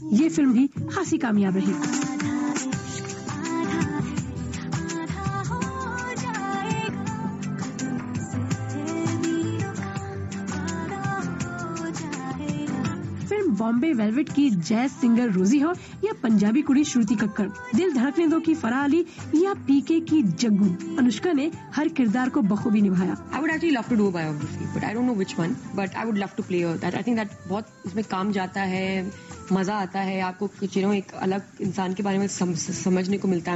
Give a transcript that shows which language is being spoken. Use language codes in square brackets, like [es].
[hi] ये फिल्म भी खासी कामयाब रही। फिल्म बॉम्बे वेलवेट की जैज सिंगर रोजी हो या पंजाबी कुड़ी श्रुति कक्कड़, दिल धड़कने दो की फराह अली या पीके की जग्गू, अनुष्का ने हर किरदार को बखूबी निभाया। [en] I would actually love to do a biography, but I don't know which one, but I would love to play that. I think that [hi] बहुत उसमें काम जाता है, मजा आता है, आपको कुछ यू नो एक अलग इंसान के बारे में समझने को मिलता है।